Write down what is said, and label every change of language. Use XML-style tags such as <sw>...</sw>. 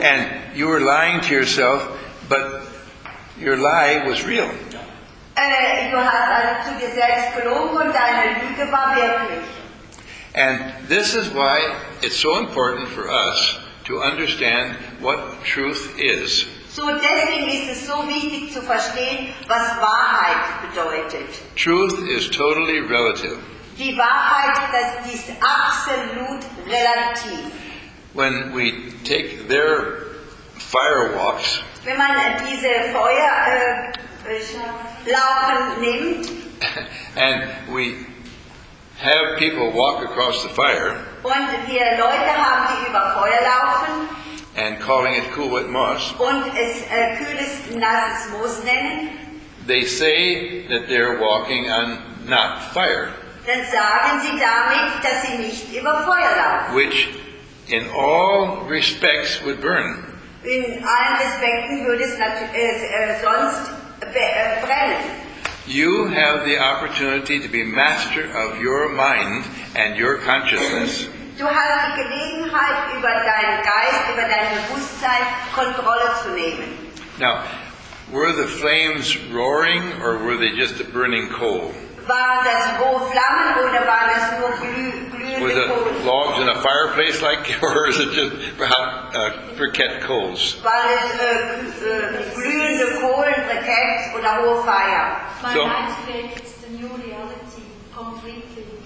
<en>And you were lying to yourself, but your lie was real.</en> <de>Du hast also zu dir selbst gelogen und deine Lüge war wirklich.</de> <en>And this is why it's so important for us to understand what truth is.</en> <de>So deswegen ist es so wichtig zu verstehen, was Wahrheit bedeutet.</de> <en>Truth is totally relative.</en> <de>Die Wahrheit, das ist absolut relativ.</de> <en>When we take their firewalks,</en> <de>wenn man diese Feuerlaufen nimmt,</de> <en>and we have people walk across the fire,</en> <de>und wir Leute haben, die über Feuer laufen,</de> <en>and calling it cool wet moss,</en> <de>und es kühles, nasses Moos nennen,</de> <en>they say that they're walking on not fire.</en> <de>Dann sagen sie damit, dass sie nicht über Feuer laufen.</de> <en>Which, in all respects, would burn.</en> <de>In allen Respekten würde es sonst brennen.</de> <en>You have the opportunity to be master of your mind and your consciousness.</en> <de>Du hast die Gelegenheit, über deinen Geist, über dein Bewusstsein Kontrolle zu nehmen.</de> <en>Now, were the flames roaring or were they just a burning coal?</en> <de>War das hohe Flammen oder war das nur glühende Kohle?</de> <en>Were the logs in a fireplace like or is it just briquette coals?</en> <de>War das glühende Kohle, briquettes oder hohe Feuer?</de> <en>So, my mind creates the new reality completely.</en>